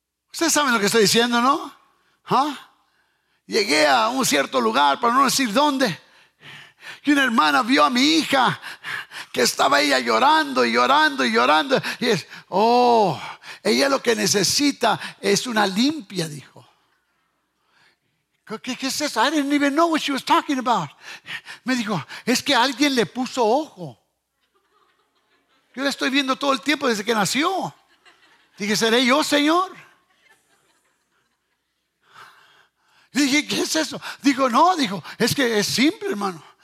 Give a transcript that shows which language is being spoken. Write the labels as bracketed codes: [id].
[es] Ustedes saben lo que estoy diciendo, ¿no? ¿Ah? Llegué a un cierto lugar, para no decir dónde, y una hermana vio a mi hija, que estaba ella llorando y llorando y llorando. Y es, oh, ella lo que necesita es una limpia, dijo. ¿Qué es eso? [en] I didn't even know what she was talking about. [es] Me dijo, es que alguien le puso ojo. Yo la estoy viendo todo el tiempo desde que nació. Dije, ¿seré yo, Señor? Dije, ¿qué es eso? Dijo, no, dijo, es que es simple, hermano.